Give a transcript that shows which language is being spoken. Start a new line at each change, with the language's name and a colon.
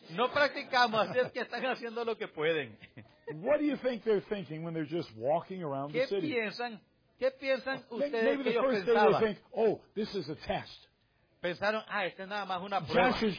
Spanish: No practicamos, así es que están haciendo lo que pueden.
English: What do you think they're thinking when they're just walking around the city?
Spanish: ¿Qué piensan ¿Qué piensan ustedes que ellos pensaban?
English: Oh, this is a test.
Spanish: Pensaron, ah, esta es nada más una prueba.